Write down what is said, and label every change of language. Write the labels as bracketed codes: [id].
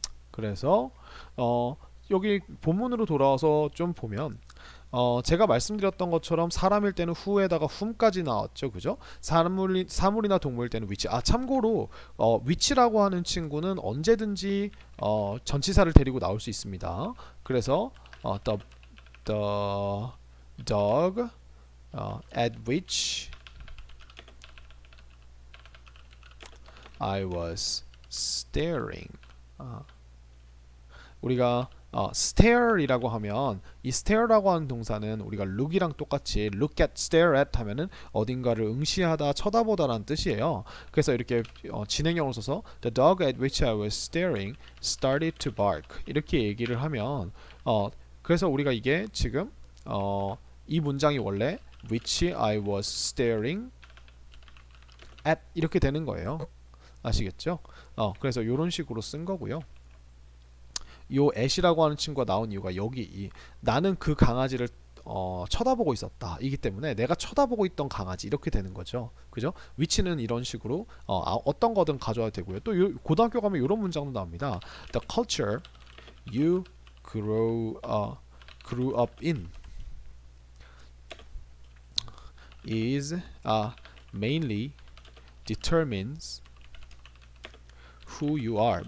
[ko] 그래서 여기 본문으로 돌아와서 좀 보면 제가 말씀드렸던 것처럼 사람일 때는 후에다가 whom까지 나왔죠. 그죠? 사물이나 동물일 때는 which. 아, 참고로 which라고 하는 친구는 언제든지 전치사를 데리고 나올 수 있습니다. [en] 그래서 the dog at which I was staring. [ko] 우리가 stare이라고 하면 이 stare라고 하는 동사는 우리가 look이랑 똑같이 look at, stare at 하면은 어딘가를 응시하다, 쳐다보다라는 뜻이에요. 그래서 이렇게 진행형을 써서 the dog at which I was staring started to bark 이렇게 얘기를 하면 그래서 우리가 이게 지금 이 문장이 원래 which I was staring at 이렇게 되는 거예요. 아시겠죠? 그래서 이런 식으로 쓴 거고요. 요 애시라고 하는 친구가 나온 이유가 여기 나는 그 강아지를 쳐다보고 있었다. 이기 때문에 내가 쳐다보고 있던 강아지 이렇게 되는 거죠. 그죠? 위치는 이런 식으로 어떤 거든 가져와도 되고요. 또 고등학교 가면 이런 문장도 나옵니다. [en] The culture you grew up in is mainly determines who you are.